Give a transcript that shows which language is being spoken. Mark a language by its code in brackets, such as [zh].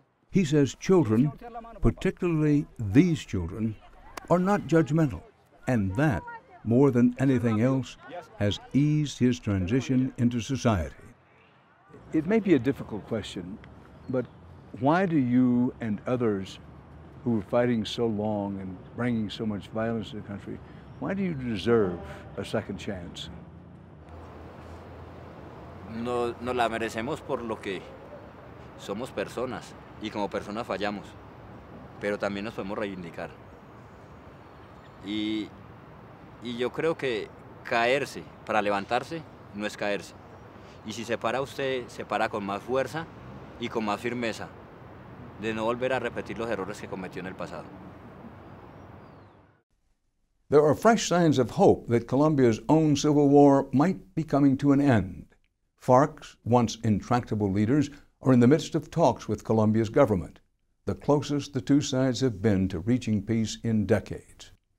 [en] He says children, particularly these children, are not judgmental, and that, more than anything else, has eased his transition into society. It may be a difficult question, but why do you and others who were fighting so long and bringing so much violence to the country, why do you deserve a second chance? [es] No la merecemos por lo que somos personas, y como personas fallamos, pero también nos podemos reivindicar. Y yo creo que caerse para levantarse no es caerse. Y si se para usted, se para con más fuerza y con más firmeza de no volver a repetir los errores que cometió en el pasado. [en] There are fresh signs of hope that Colombia's own civil war might be coming to an end. FARC's once intractable leaders are in the midst of talks with Colombia's government, the closest the two sides have been to reaching peace in decades.